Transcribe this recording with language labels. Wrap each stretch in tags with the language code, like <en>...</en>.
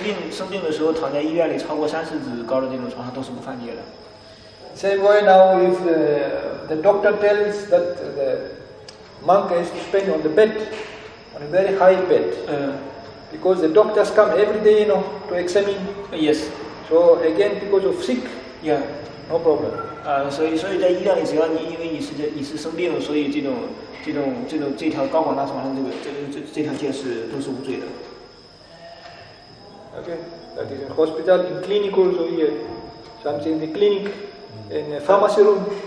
<zh>生病的时候躺在医院里超过30指高的这种床上都是不犯戒的。</zh> <en>Same way now, if the doctor tells that the monk has to spend on the bed, on a very high bed. Because the doctors come every day, you know, to examine. Yes. So again, because of sick. Yeah. No problem.</en> <zh>所以在医院里，只要你因为你是生病了，所以这种这条高广大床上这条戒是都是无罪的。</zh> <en>Okay. That is in hospital, in clinic also here. Sometimes in the clinic, in the pharmacy room.</en>